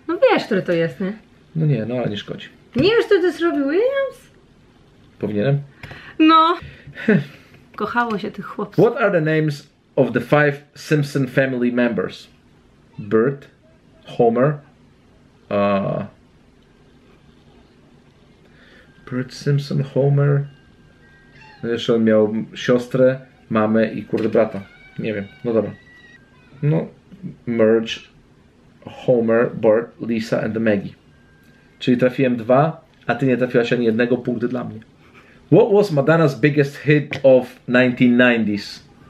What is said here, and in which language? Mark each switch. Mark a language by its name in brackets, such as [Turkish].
[Polish] No wiesz, który to jest, nie? No nie, no ale nie szkodzi. Nie wiesz, który to jest Robbie Williams? Powinienem? No. Kochało się tych chłopców. [English] What are the names of the five Simpson family members? Bert, Homer, Bert Simpson, Homer. [Polish] No wiesz, on miał siostrę, mamę i kurde brata. Nie wiem, no dobra. [English] No, Merge, Homer, Bart, Lisa and Maggie. [Polish] Czyli trafiłem 2, a ty nie trafiłaś ani jednego, punkty dla mnie. [English] What was Madonna's biggest hit of 1990s?